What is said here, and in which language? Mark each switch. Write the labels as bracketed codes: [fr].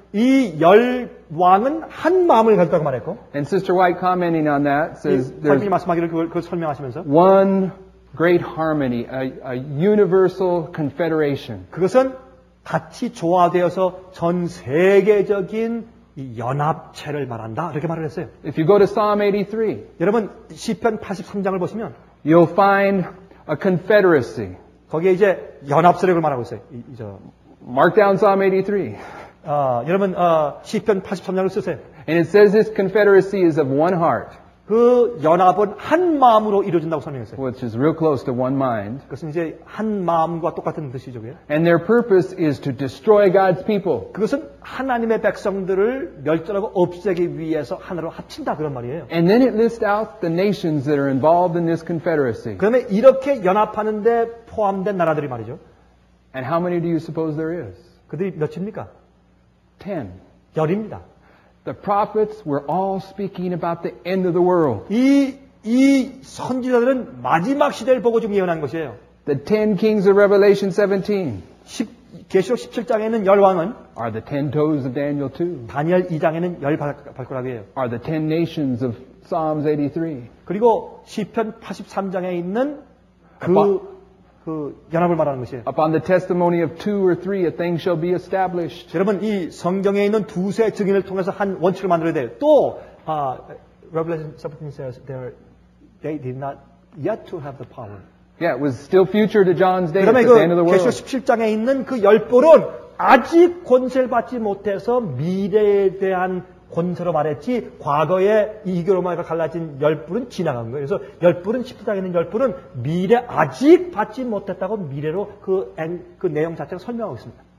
[ko] 이 열 왕은 한 마음을 가졌다고 말했고. [en] And Sister White commenting on that says there's [ko] 마지막에 그걸 설명하시면서 [en] one great harmony, a universal confederation. [ko] 그것은 같이 조화되어서 전 세계적인 이 연합체를 말한다. 이렇게 말을 했어요. [en] If you go to Psalm 83, [ko] 여러분 시편 83장을 보시면 [en] you'll find A confederacy. [ko] 거기에 이제 연합세력을 말하고 있어요. 이제 [en] Mark down Psalm 83. [ko] 여러분 시편 83장을 쓰세요. [en] And it says this confederacy is of one heart. [ko] 그 연합은 한 마음으로 이루어진다고 설명했어요. [en] Which is real close to one mind. [ko] 그것은 이제 한 마음과 똑같은 뜻이죠. [en] And their purpose is to destroy God's people. [ko] 그것은 하나님의 백성들을 멸절하고 없애기 위해서 하나로 합친다 그런 말이에요. [en] And then it lists out the nations that are involved in this confederacy. [ko] 그러면 이렇게 연합하는데 포함된 나라들이 말이죠. [en] And how many do you suppose there is? [ko] 그들이 몇입니까? [en] 10. [ko] 열입니다. [en] The prophets were all speaking about the end of the world. [ko] 이 선지자들은 마지막 시대를 보고 지금 예언한 것이에요. [en] The ten kings of Revelation 17. [ko] 계시록 17장에는 열 왕은 [en] are the ten toes of Daniel 2. [ko] 다니엘 2장에는 열 발가락이에요. [en] Are the ten nations of Psalms 83. [ko] 그리고 시편 83장에 있는 그 연합을 말하는 것이에요. [en] Upon the testimony of two or three, a thing shall be established. [ko] 여러분, 이 성경에 있는 두세 증인을 통해서 한 원칙을 만들어야 돼요. [en] 또, Revelation 17 says they did not yet to have the power. Yeah, it was still future to John's day at the end of the world. [ko] 계시록 17장에 있는 그 열뿔은 아직 권세를 받지 못해서 미래에 대한 권세로 말했지 과거에 이교로마가 갈라진 열불은 지나간 거예요. 그래서 열불은 십자가에 있는 열불은 미래 아직 받지 못했다고 미래로 그 내용 자체를 설명하고 있습니다.